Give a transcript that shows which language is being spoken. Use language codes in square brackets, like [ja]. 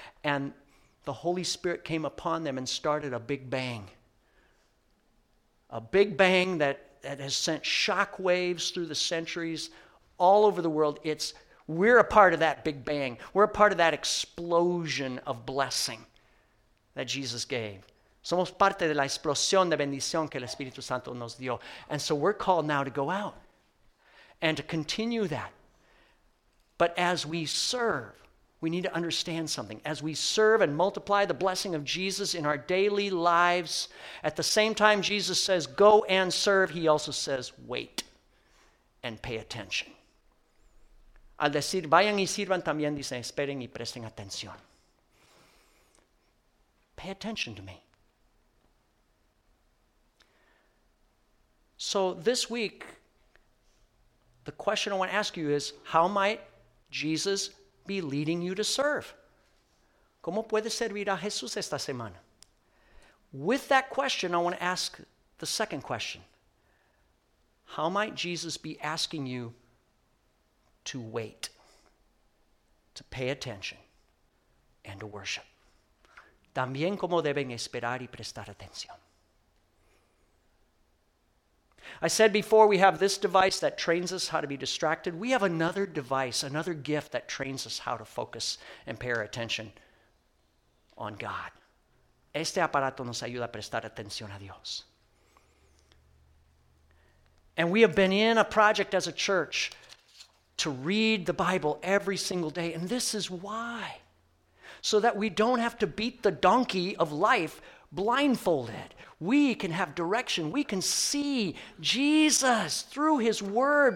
[en] And the Holy Spirit came upon them and started a big bang. A big bang that has sent shockwaves through the centuries all over the world. We're a part of that big bang. We're a part of that explosion of blessing that Jesus gave. [es] Somos parte de la explosión de bendición que el Espíritu Santo nos dio. [en] And so we're called now to go out and to continue that. But as we serve, we need to understand something. As we serve and multiply the blessing of Jesus in our daily lives, at the same time Jesus says, go and serve, he also says, wait and pay attention. [es] Al decir, vayan y sirvan, también dice, esperen y presten atención. [en] Pay attention to me. So this week, the question I want to ask you is, how might Jesus be leading you to serve? [es] ¿Cómo puede servir a Jesús esta semana? [en] With that question, I want to ask the second question. How might Jesus be asking you to wait, to pay attention, and to worship? [es] También cómo deben esperar y prestar atención. [en] I said before, we have this device that trains us how to be distracted. We have another device, another gift that trains us how to focus and pay our attention on God. [es] Este aparato nos ayuda a prestar atención a Dios. [en] And we have been in a project as a church to read the Bible every single day. And this is why. So that we don't have to beat the donkey of life blindfolded. We can have direction. We can see Jesus through his word.